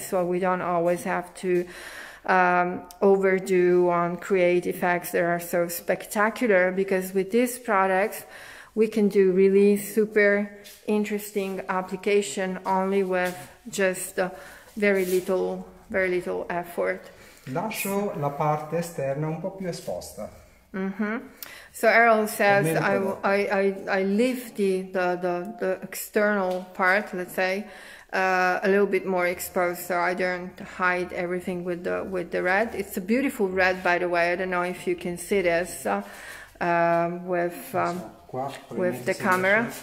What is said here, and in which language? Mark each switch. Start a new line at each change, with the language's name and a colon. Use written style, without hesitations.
English: So we don't always have to overdo on create effects that are so spectacular, because with these products we can do really super interesting application only with just very little effort.
Italian: Lascio la parte esterna un po' più esposta.
English: So Errol says I leave the external part, let's say, a little bit more exposed, so I don't hide everything with the red. It's a beautiful red, by the way. I don't know if you can see this with the camera.